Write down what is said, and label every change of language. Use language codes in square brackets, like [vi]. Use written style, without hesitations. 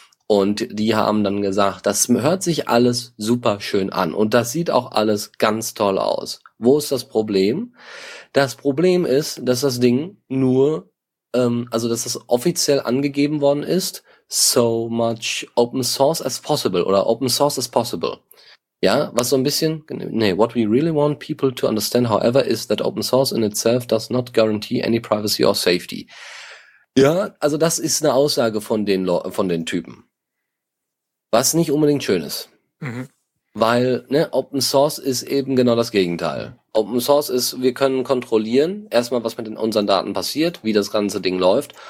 [de] Und die haben dann gesagt, das hört sich alles super schön an und das sieht auch alles ganz toll aus. Wo ist das Problem? Das Problem ist, dass das Ding nur, dass das offiziell angegeben worden ist, [en] so much open source as possible [de] oder [en] open source as possible. [de] Ja, was so ein bisschen, [en] what we really want people to understand, however, is that open source in itself does not guarantee any privacy or safety. [de] Ja, also das ist eine Aussage von den Typen. Was nicht unbedingt schön ist. Mhm. Weil, Open Source ist eben genau das Gegenteil. Open Source ist, wir können kontrollieren, erstmal, was mit unseren Daten passiert, wie das ganze Ding läuft.